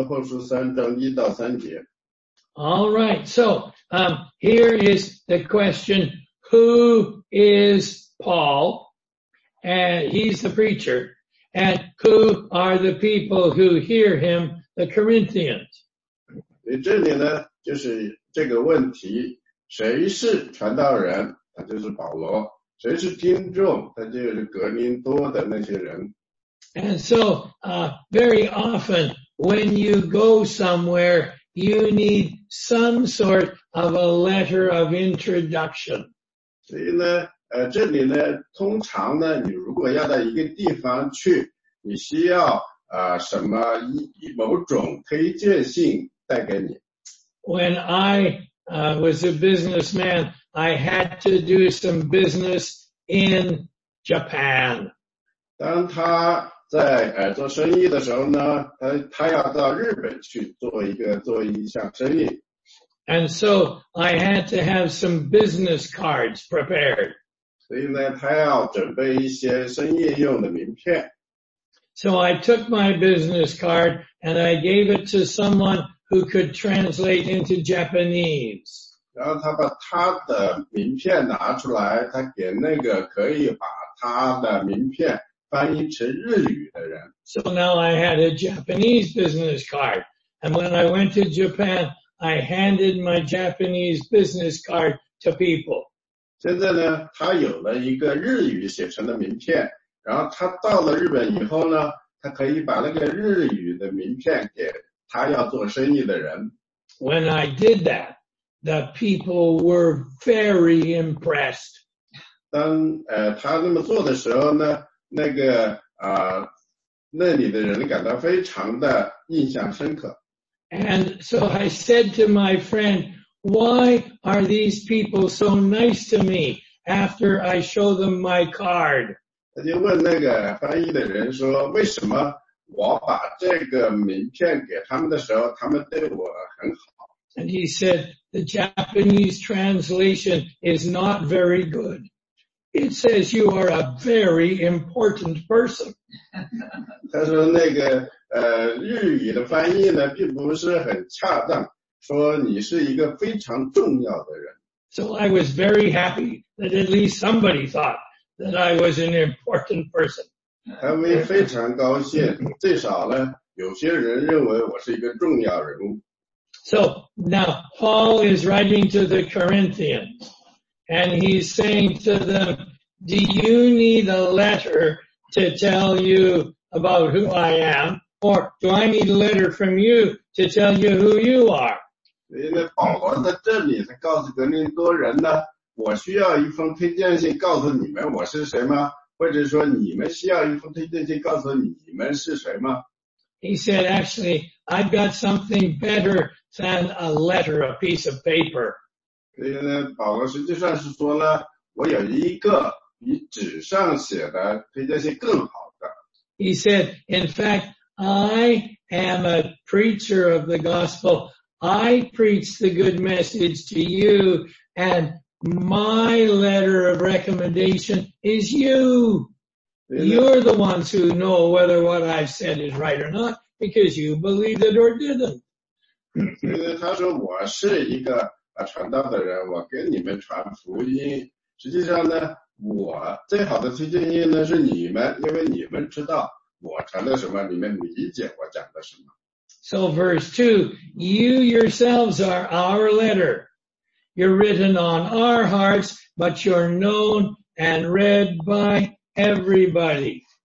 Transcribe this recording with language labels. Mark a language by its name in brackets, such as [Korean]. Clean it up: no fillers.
[Chinese] 他读的是《格林多后书》3章1到3节。 [English] All right, so here is the question, who is Paul? And he's the preacher. And who are the people who hear him, the Corinthians? [Chinese] 这里呢，就是。这个问题，谁是传道人？他就是保罗。谁是听众？他就是格林多的那些人。And [English] so, very often when you go somewhere, you need some sort of a letter of introduction. [Chinese] 所以呢，这里呢，通常呢，你如果要到一个地方去，你需要什么某种推荐信带给你。 [English] When I was a businessman. I had to do some business in Japan. [Chinese] 当他在做生意的时候呢，他要到日本去做一项生意。 [English] And so I had to have some business cards prepared. [Chinese] 所以呢，他要准备一些生意用的名片。 [English] So I took my business card and I gave it to someone who could translate into Japanese. [Chinese] 然后他把他的名片拿出来，他给那个可以把他的名片翻译成日语的人。 [English] So now I had a Japanese business card. And when I went to Japan, I handed my Japanese business card to people. [Chinese] 现在呢，他有了一个日语写成的名片。然后他到了日本以后呢，他可以把那个日语的名片给他要做生意的人。 [English] When I did that, the people were very impressed. [Chinese] 当他那么做的时候呢，那个那里的人感到非常的印象深刻。 [English] And so I said to my friend, why are these people so nice to me after I show them my card? [Chinese] 他就问那个翻译的人说，为什么我把这个名片给他们的时候，他们对我很好。 [English] And he said, the Japanese translation is not very good. It says you are a very important person. [Chinese] 他说那个日语的翻译呢并不是很恰当，说你是一个非常重要的人。 [English] So I was very happy that at least somebody thought that I was an important person. [Chinese] 他们非常高兴，最少呢有些人认为我是一个重要人物。 [English] So now Paul is writing to the Corinthians and he's saying to them, do you need a letter to tell you about who I am? Or do I need a letter from you to tell you who you are? [Chinese] 所以呢，保罗在这里他告诉格林多人呢，我需要一封推荐信告诉你们我是谁吗？或者说你们需要一封推荐信告诉你们是谁吗？ [English] He said, actually, I've got something better than a letter, a piece of paper. [Chinese] 所以呢，保罗实际上是说呢，我有一个比纸上写的推荐信更好的。 [English] He said, in fact,I am a preacher of the gospel. I preach the good message to you, and my letter of recommendation is you. You're the ones who know whether what I've said is right or not, because you believed it or didn't. [Chinese] 他说我是一个传道的人，我给你们传福音。实际上呢，我最好的推荐信呢是你们，因为你们知道。我传的什么，你们理解我讲的什么。 [English] So verse 2, you yourselves are our letter. You're written on our hearts, but you're known and read by everybody.